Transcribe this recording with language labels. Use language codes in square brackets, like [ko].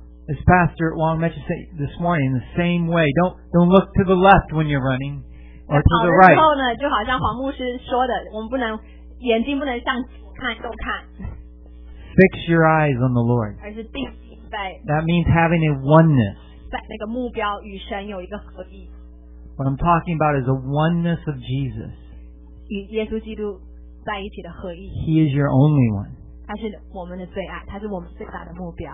[en] As Pastor Wong mentioned this morning, the same way, don't look to the left when you're running, or to the right. [zh] 跑的时候呢，就好像黄牧师说的，我们不能眼睛不能向看都看。 [en] Fix your eyes on the Lord. [zh] 而是定睛在。 [en] That means having a oneness. [zh] 在那个目标与神有一个合一。 [en] What I'm talking about is a oneness of Jesus. [zh] 与耶稣基督在一起的合一。 [en] He is your only one. [zh] 他是我们的最爱，他是我们最大的目标。